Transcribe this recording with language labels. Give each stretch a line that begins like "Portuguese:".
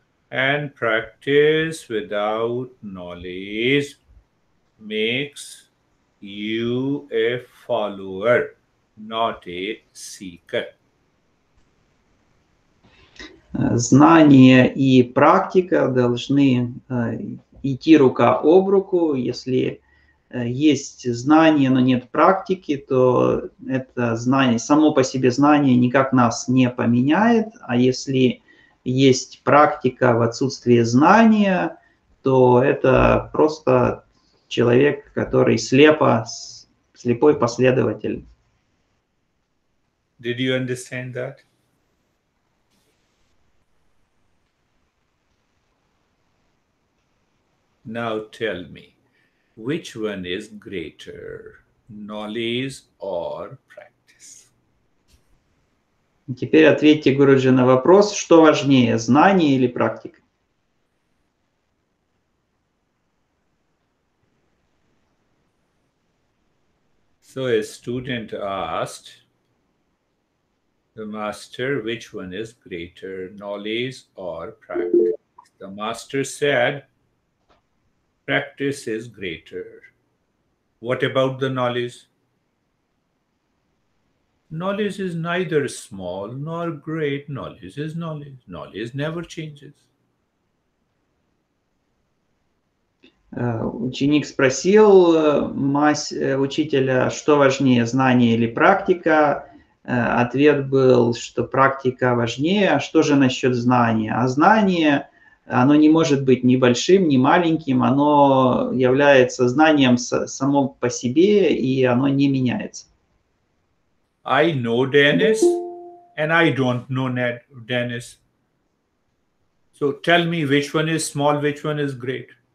English: And practice without knowledge makes you a follower, not a seeker.
Russian: Знание и практика должны идти рука об руку. Если есть знание, но нет практики, то это знание, само по себе знание никак нас не поменяет. А если есть практика в отсутствии знания, то это просто человек, который слепой последователь.
English: Did you understand that? Now tell me, which one is greater, knowledge or practice? Теперь ответьте, Гуруджи, на вопрос, что важнее, знание или практика? So a student asked, the master, which one is greater, knowledge or practice? The master said, practice is greater. What about the knowledge? Knowledge is neither small nor great. Knowledge is knowledge. Knowledge never changes.
Russian: Ученик спросил учителя, что важнее, знание или практика. Ответ был, что практика важнее. А что же насчет знания? А знание, оно не может быть ни большим, ни маленьким. Оно является знанием само по себе, и оно не меняется.
English: I know Dennis and I don't know Ned Dennis. So tell me which one is small, which one is great.